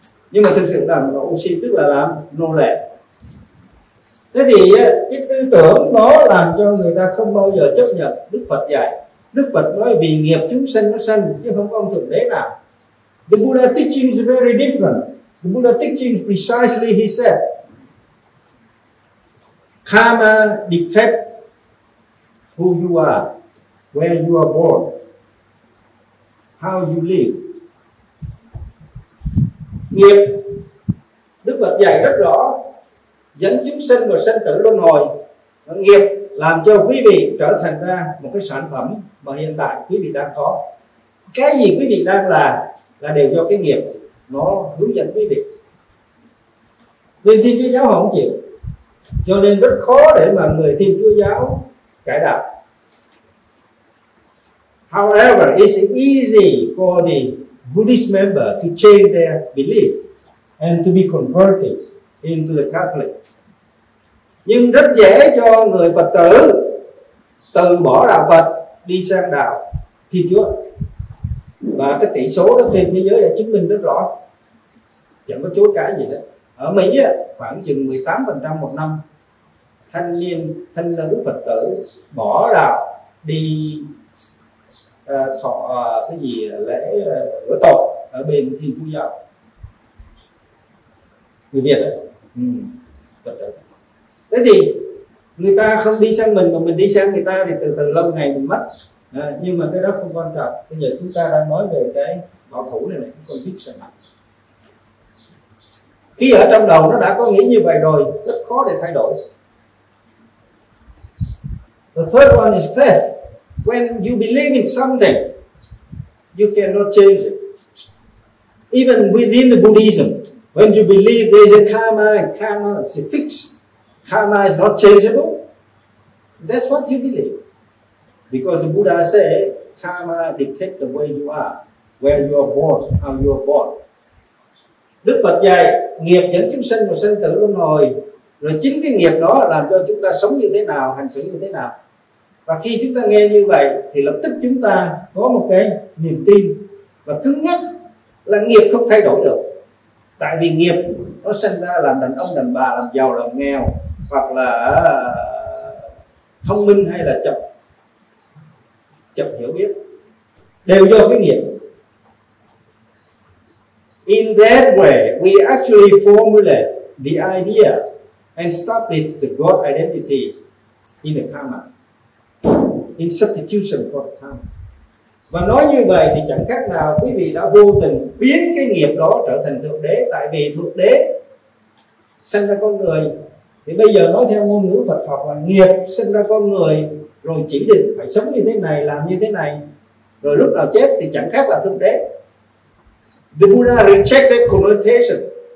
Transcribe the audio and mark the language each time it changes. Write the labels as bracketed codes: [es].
[vi] Nhưng mà thực sự làm oisin tức là làm nô lệ. Thế thì cái tư tưởng nó làm cho người ta không bao giờ chấp nhận Đức Phật dạy. Đức Phật nói vì nghiệp chúng sanh nó sanh, chứ không có ông thượng đế nào. [en] The Buddha teaching is very different. The Buddha teaching precisely, he said, karma dictate who you are, where you are born, how you live. [vi] Nghiệp, Đức Phật dạy rất rõ, dẫn chúng sinh vào sanh tử luân hồi. Nghiệp làm cho quý vị trở thành ra một cái sản phẩm mà hiện tại quý vị đang có. Cái gì quý vị đang là đều do cái nghiệp nó hướng dẫn quý vị. Nên Thiên Chúa giáo họ không chịu, cho nên rất khó để mà người Thiên Chúa giáo cải đạo. [en] However, it's easy for the Buddhist member to change their belief and to be converted into the Catholic. [vi] Nhưng rất dễ cho người Phật tử từ bỏ đạo Phật đi sang đạo Thiên Chúa. Và cái tỷ số đó trên thế giới đã chứng minh rất rõ, chẳng có chối cãi gì hết. Ở Mỹ khoảng chừng 18% một năm thanh niên, thanh nữ Phật tử bỏ đạo đi thọ cái gì lễ rửa tội ở bên Thiên Chúa giáo. Người Việt Phật tử. Thế thì người ta không đi sang mình mà mình đi sang người ta thì từ từ lâu ngày mình mất. Nhưng mà cái đó không quan trọng. Bây giờ chúng ta đang nói về cái bảo thủ này này, con biết sao mặt. Khi ở trong đầu nó đã có nghĩ như vậy rồi, rất khó để thay đổi. [en] The third one is faith. When you believe in something, you cannot change it. Even within the Buddhism, when you believe there is a karma, and karma is a fixed, karma is not changeable, that's what you believe. Because the Buddha said, karma dictates the way you are, where you are born, how you are born. [vi] Đức Phật dạy, nghiệp dẫn chúng sinh vào sanh tử luân hồi, rồi chính cái nghiệp đó làm cho chúng ta sống như thế nào, hành xử như thế nào. Và khi chúng ta nghe như vậy, thì lập tức chúng ta có một cái niềm tin và cứng nhắc là nghiệp không thay đổi được. Tại vì nghiệp nó sinh ra làm đàn ông, đàn bà, làm giàu, làm nghèo, hoặc là thông minh hay là chậm hiểu biết, đều do cái nghiệp. [en] In that way, we actually formulate the idea and establish the God identity in the karma, in substitution for the karma. [vi] Và nói như vậy thì chẳng khác nào quý vị đã vô tình biến cái nghiệp đó trở thành thượng đế. Tại vì thượng đế sinh ra con người, thì bây giờ nói theo ngôn ngữ Phật học là nghiệp sinh ra con người rồi chỉ định phải sống như thế này, làm như thế này, rồi lúc nào chết thì chẳng khác là thượng đế. [en] The Buddha rejected connotation